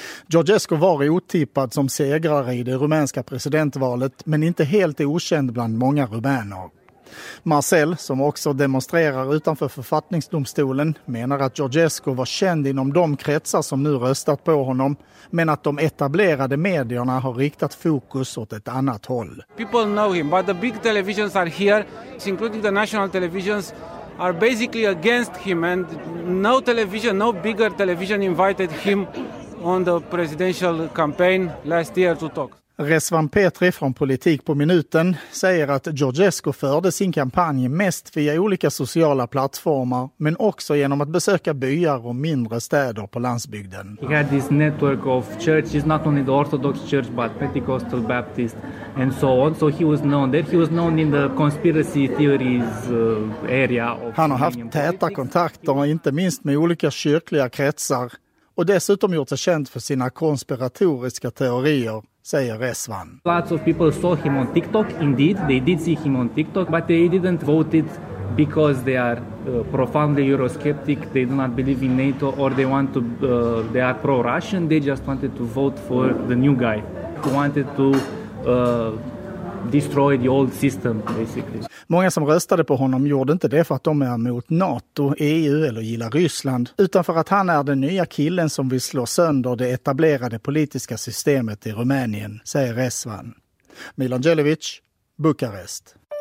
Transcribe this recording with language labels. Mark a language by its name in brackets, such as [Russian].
[Swedish] Georgescu var otippad som segrare i det rumänska presidentvalet, men inte helt okänd bland många rumäner. Marcel, som också demonstrerar utanför författningsdomstolen, menar att Georgescu var känd inom de kretsar som nu röstat på honom, men att de etablerade medierna har riktat fokus åt ett annat håll. [English] People know him, but the big televisions are here, including the national televisions, are basically against him, and no television, no bigger television invited him on the presidential campaign last year to talk. [Swedish] Resvan Petri från Politik på minuten säger att Georgescu förde sin kampanj mest via olika sociala plattformar, men också genom att besöka byar och mindre städer på landsbygden. [English] He had this network of churches, not only the Orthodox Church but Pentecostal Baptist and so on. So he was known there. He was known in the conspiracy theories area of. [Swedish] Han har haft täta kontakter, inte minst med olika kyrkliga kretsar, och dessutom gjort sig känd för sina konspiratoriska teorier, säger Resvan. [English] Lots of people saw him on TikTok, indeed. They did see him on TikTok, but they didn't vote it because they are profoundly Eurosceptic, they do not believe in NATO, or they want to, they are pro-Russian, they just wanted to vote for the new guy, who wanted to destroy the old system, basically. [Swedish] Många som röstade på honom gjorde inte det för att de är mot NATO, EU eller gillar Ryssland, utan för att han är den nya killen som vill slå sönder det etablerade politiska systemet i Rumänien, säger Resvan. Milan Jelovic, Bukarest.